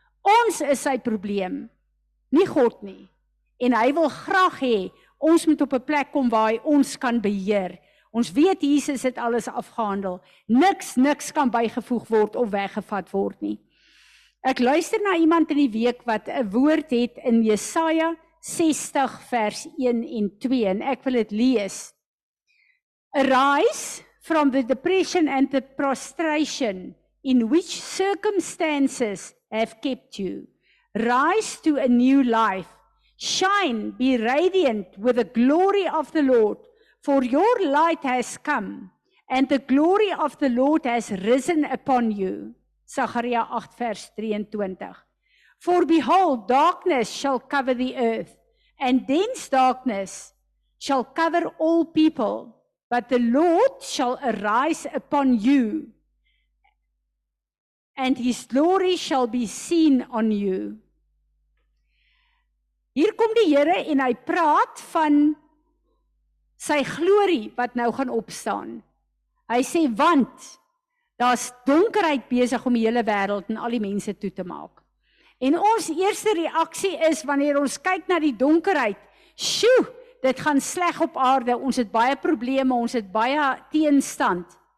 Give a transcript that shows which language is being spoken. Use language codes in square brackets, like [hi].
[af] Ons is sy probleem, nie God nie. En hy wil graag hê, ons moet op 'n plek kom waar hy ons kan beheer. Ons weet Jesus het alles afgehandel. Niks kan bygevoeg word of weggevat word nie. Ek luister na iemand in die week wat 'n woord het in Jesaja 60 vers 1 en 2 en ek wil dit lees. [en] Arise from the depression and the prostration in which circumstances have kept you. Rise to a new life. Shine, be radiant with the glory of the Lord. For your light has come, and the glory of the Lord has risen upon you. Zachariah 8 vers 23. For behold, darkness shall cover the earth, and dense darkness shall cover all people. But the Lord shall arise upon you, and his glory shall be seen on you. [af] Hier kom die Here en hy praat van sy glorie wat nou gaan opstaan. Hy sê, want daar's donkerheid besig om die hele wêreld en al die mense toe te maak. En ons eerste reaksie is, wanneer ons kyk na die donkerheid, sjoe, dit gaan sleg op aarde, ons het baie probleme, ons het baie teenstand.